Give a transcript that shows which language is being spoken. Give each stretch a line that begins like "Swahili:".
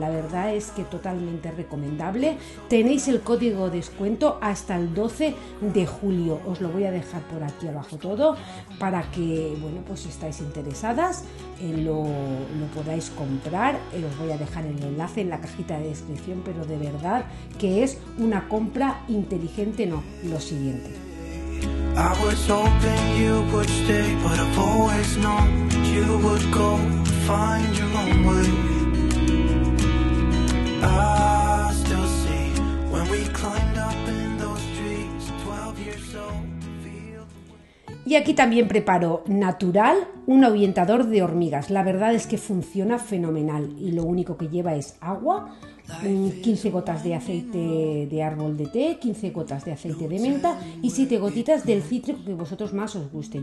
Spanish: La verdad es que totalmente recomendable. Tenéis el código descuento hasta el 12 de julio. Os lo voy a dejar por aquí abajo todo para que, bueno, pues si estáis interesadas, lo podáis comprar. Os voy a dejar el enlace en la cajita de descripción, pero de verdad que es una compra inteligente. No, lo siguiente.
English: I was hoping you would stay, but I've always known that you would go find your own way. I still see when we climbed up in those trees, 12 years old.
Spanish: Y aquí también preparo natural un ahuyentador de hormigas. La verdad es que funciona fenomenal y lo único que lleva es agua, 15 gotas de aceite de árbol de té, 15 gotas de aceite de menta y 7 gotitas del cítrico que vosotros más os guste.